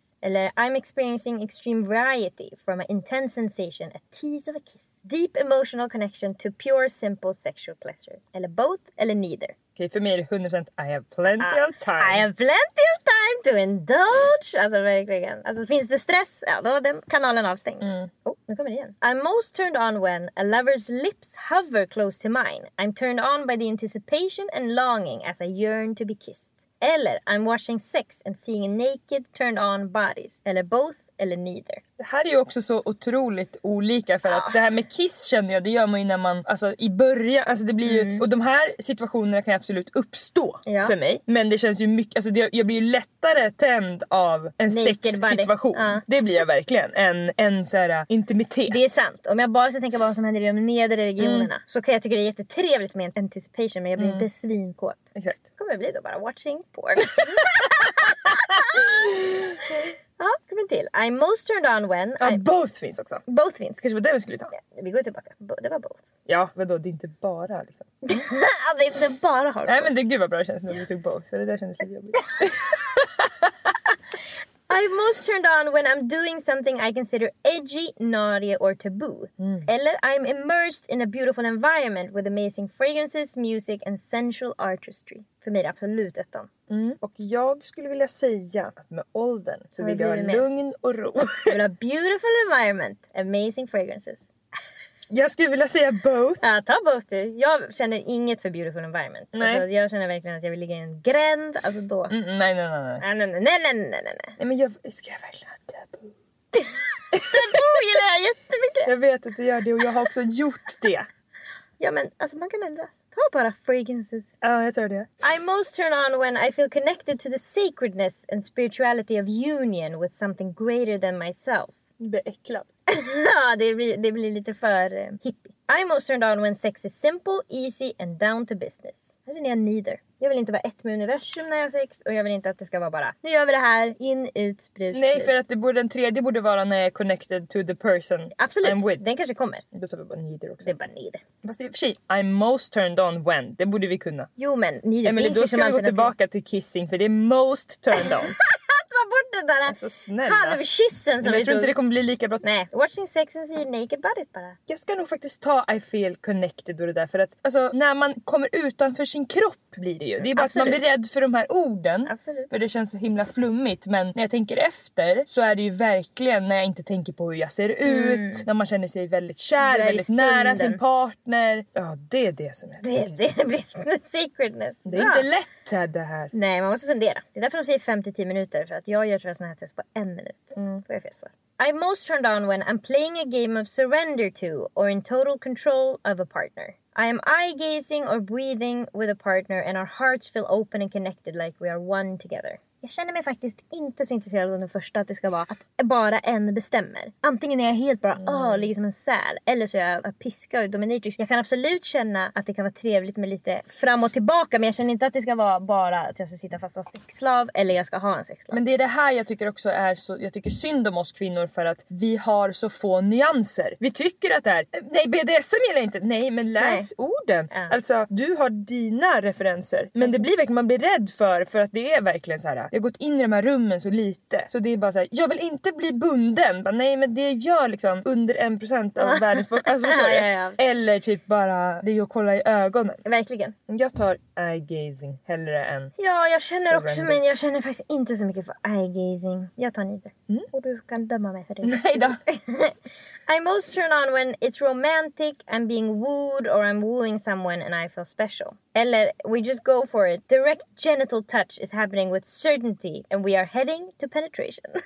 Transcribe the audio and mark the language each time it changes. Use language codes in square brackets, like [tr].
[en] Eller I'm experiencing extreme variety from an intense sensation, a tease of a kiss. Deep emotional connection to pure simple sexual pleasure. [sv] Eller both eller neither. Okej, för mig är det 100% [en] I have plenty of time. I have plenty of time to indulge. [sv] Alltså verkligen. Alltså finns det stress, ja då är den kanalen avstängd. Oh, nu kommer det igen. [en] I'm most turned on when a lover's lips hover close to mine. I'm turned on by the anticipation and longing as I yearn to be kissed. Eller I'm watching sex and seeing naked turned on bodies. [sv] Eller both eller neither. Det här är ju också så otroligt olika för att det här med kiss känner jag, det gör man ju när man, alltså i början, alltså det blir ju, och de här situationerna kan ju absolut uppstå för mig, men det känns ju mycket, alltså det, jag blir ju lättare tänd av en naked sexsituation. Det blir jag verkligen, en såhär intimitet. Det är sant, om jag bara ska tänka på vad som händer i de nedre regionerna så kan jag tycka det är jättetrevligt med anticipation, men jag blir inte svinkåt. Exakt. Kommer det bli då bara watching porn. Ja, kom en till. [en] I'm most turned on when... [sv] Ja, both finns också. Both finns. Kanske var det vi skulle ta. Ja, vi går tillbaka. Det var both. Ja, vadå? Det är inte bara liksom. Ja, det är inte bara hardcore. Nej, men det, gud vad bra det känns när du tog both. Så det där kändes lite jobbigt. [en] I'm most turned on when I'm doing something I consider edgy, naughty or taboo. Eller I'm immersed in a beautiful environment with amazing fragrances, music and sensual artistry. [sv] För mig är det absolut ettan. Och jag skulle vilja säga att med åldern så vill jag ha lugn och ro. Du vill ha [en] beautiful environment, amazing fragrances. [sv] Jag skulle vilja säga both. Ja, ta both du. Jag känner inget för beautiful environment. Nej. Alltså, jag känner verkligen att jag vill ligga i en gränd. Alltså då. Nej. Men jag, ska jag verkligen ha taboo? Taboo gillar jag jättemycket. Jag vet att du gör det och jag har också gjort det. Ja, men alltså man kan ändras. Ta bara fragrances. Ja, jag tror det. [en] I most turn on when I feel connected to the sacredness and spirituality of union with something greater than myself. [sv] Beäcklad. Ja, det blir lite för hippie. [en] I'm most turned on when sex is simple, easy and down to business. [sv] Här är jag neither. Jag vill inte vara ett med universum när jag har sex. Och jag vill inte att det ska vara bara, nu gör vi det här, in, ut, sprut. Nej, för att det borde, den tredje borde vara när jag är [en] connected to the person. [sv] Absolut, [en] I'm with. [sv] Den kanske kommer. Då tar vi bara neither också. Det är bara neither. Fast det är för sig, [en] I'm most turned on when, [sv] det borde vi kunna. Jo, men neither finns ju som alternativ. Då ska vi gå tillbaka till kissing, för det är most turned on. Alltså, halvkyssen som jag tror inte det kommer bli lika bra. Nej, [en] watching sex and see naked body [sv] bara. Jag ska nog faktiskt ta [en] I feel connected [sv] och det där, för att alltså, när man kommer utanför sin kropp blir det ju. Det är bara absolut att man blir rädd för de här orden. Absolut. För det känns så himla flummigt, men när jag tänker efter så är det ju verkligen när jag inte tänker på hur jag ser ut, när man känner sig väldigt kär, väldigt nära sin partner. Ja, det är det som jag tänker. Det blir secretness. Det är inte lätt det här. Nej, man måste fundera. Det är därför de säger 5-10 minuter, för att jag gör sådana här test på en minut. Får jag fel svar. [en] I'm most turned on when I'm playing a game of surrender to or in total control of a partner. I am eye gazing or breathing with a partner and our hearts feel open and connected like we are one together. [sv] Jag känner mig faktiskt inte så intresserad av den första, att det ska vara att bara en bestämmer. Antingen är jag helt bara, ligger som en säl. Eller så är jag piska och dominatrix. Jag kan absolut känna att det kan vara trevligt med lite fram och tillbaka. Men jag känner inte att det ska vara bara att jag ska sitta fast av sexslav. Eller jag ska ha en sexslav. Men det är det här jag tycker också är så, jag tycker synd om oss kvinnor. För att vi har så få nyanser. Vi tycker att det är, nej, BDSM gillar inte. Nej, men läs orden. Alltså, du har dina referenser. Men det blir verkligen, man blir rädd för att det är verkligen så här. Jag har gått in i de här rummen så lite. Så det är bara såhär, jag vill inte bli bunden. Bara, nej, men det gör liksom under 1% av världens folk. Alltså, sorry. Eller typ bara, det är att kolla i ögonen. Verkligen. Jag tar eye gazing hellre än. Ja, jag känner också, random. Men jag känner faktiskt inte så mycket för eye gazing. Jag tar neither. Och du kan döma mig för det. Nej då. [en] I'm most turned on when it's romantic, I'm being wooed or I'm wooing someone and I feel special. Eller, we just go for it. Direct genital touch is happening with certainty and we are heading to penetration.